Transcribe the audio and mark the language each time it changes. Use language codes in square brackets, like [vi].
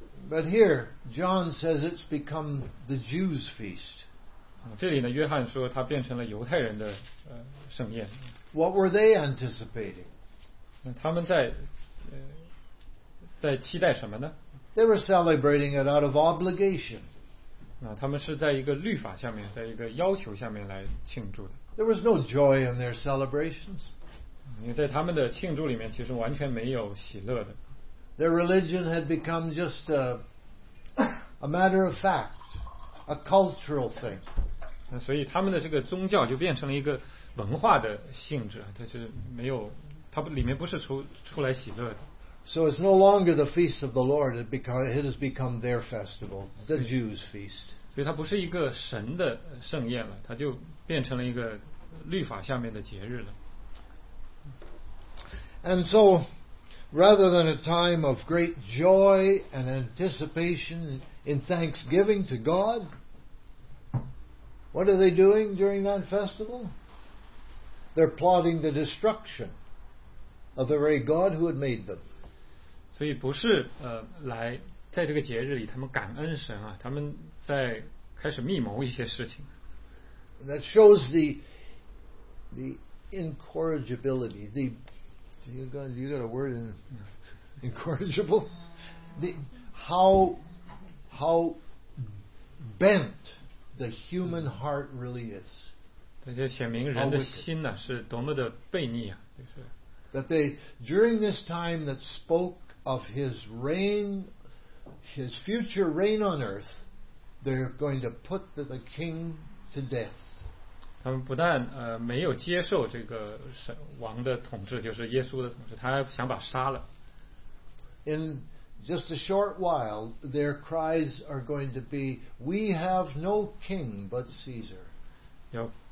[en] But here, John says it's become the Jews' feast. [zh] 这里呢，约翰说它变成了犹太人的盛宴。 [en] What were they anticipating? [zh] 那他们在期待什么呢？ [en] They were celebrating it out of obligation. [zh] 那他们是在一个律法下面，在一个要求下面来庆祝的。 [en] There was no joy in their celebrations. [zh] 因为在他们的庆祝里面，其实完全没有喜乐的。 [en] Their religion had become just a matter of fact, a cultural thing. [zh] 所以他们的这个宗教就变成了一个文化的性质，它是没有，它里面不是出来喜乐的。 [en] So it's no longer the feast of the Lord; it has become their festival, the Jews' feast. [zh] 所以它不是一个神的盛宴了，它就变成了一个律法下面的节日了。 [en] And so, rather than a time of great joy and anticipation in thanksgiving to God, what are they doing during that festival? They're plotting the destruction of the very God who had made them. [zh] 所以不是来在这个节日里他们感恩神啊，他们在开始密谋一些事情。 [en] That shows the incorrigibility. You got a word in incorrigible? How bent the human heart really is. [zh] 显明人的心呢, 是多么的悖逆啊, 就是, [en] that they, during this time that spoke of his reign, his future reign on earth, they're going to put the king to death. [zh] 他们不但, 没有接受这个神王的统治, 就是耶稣的统治, 他想把杀了。 [en] In just a short while, their cries are going to be, "We have no king but Caesar."